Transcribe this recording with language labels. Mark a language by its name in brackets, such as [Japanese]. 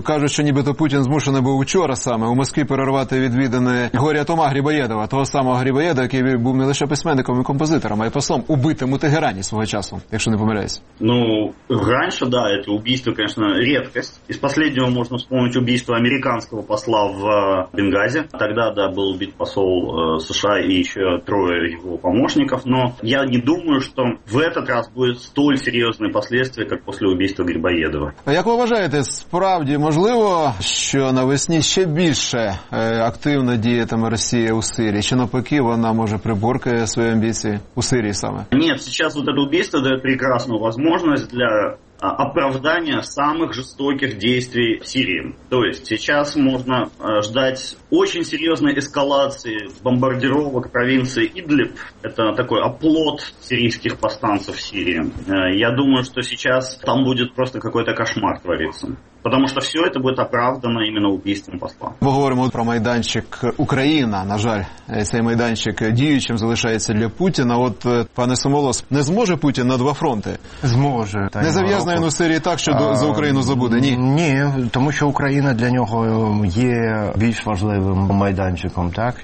[Ukrainian] Кажуть, що нібито Путін змушений був вчора саме у Москві перервати відвідини Горя Тома Грибоєдова, того самого Грибоєдова, який був не лише письменником і композитором, а й послом, убитим у Тегерані свого часу, якщо не помиляюсь. Ну, раніше, да, це вбивство, звісно, рідкість. Із останнього можна вспомнити вбивство американського посла в Бенгазі. Тоді, да, був вбит посол США і ще троє його помічників, [Russian] но я не думаю, что в этот раз будет столь серьезные последствия, как после убийства Грибоедова. Як ви вважаєте, справді можливо, що навесні ще більше активно діятиме Росія у Сирії? Чи навпаки, вона може приборкає свої амбіції у Сирії саме? Нет, сейчас вот это убийство дает прекрасную возможность для оправдания самых жестоких действий в Сирии. То есть сейчас можно ждать очень серьезной эскалации бомбардировок провинции Идлиб. Это такой оплот сирийских повстанцев в Сирии. Я думаю, что сейчас там будет просто какой-то кошмар твориться. Потому что все это будет оправдано именно убийством посла. Мы говорим про майданчик Украина. [Ukrainian] На жаль, цей майданчик діючим залишається для Путіна. От, пане Сумолос, не зможе Путін на два фронти? Зможе. Не зав'язує на Сирії так, що за Україну забуде? Ні? Ні, тому що Україна для нього є більш важливим майданчиком. Так?